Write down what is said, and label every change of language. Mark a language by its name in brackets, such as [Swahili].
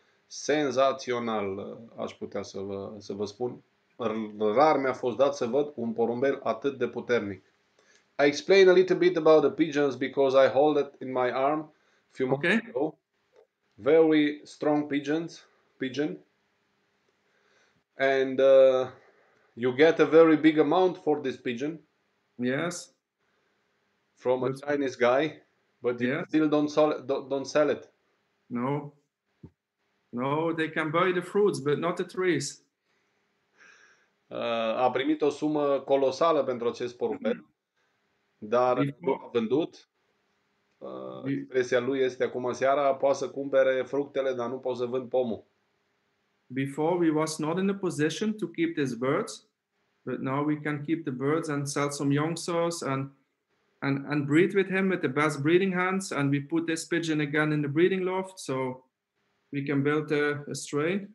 [Romanian] Senzațional, aș putea să vă spun. Rar mi-a fost dat să văd un porumbel atât de puternic. [English] I explain a little bit about the pigeons because I hold it in my arm a few months ago. Very strong pigeon, and you get a very big amount for this pigeon. Yes, from a Chinese guy, but you yes. still don't sell it. No, they can buy the fruits, but not the trees. [Romanian] A primit o sumă colosală pentru acest porumbel, dar nu a vândut. Expresia lui este acum seara, poate să cumpere fructele, dar nu poate să vând pomul. [English] Before we was not in a position to keep these birds, but now we can keep the birds and sell some young sauce and breed with him with the best breeding hands, and we put this pigeon again in the breeding loft, so we can build a strain.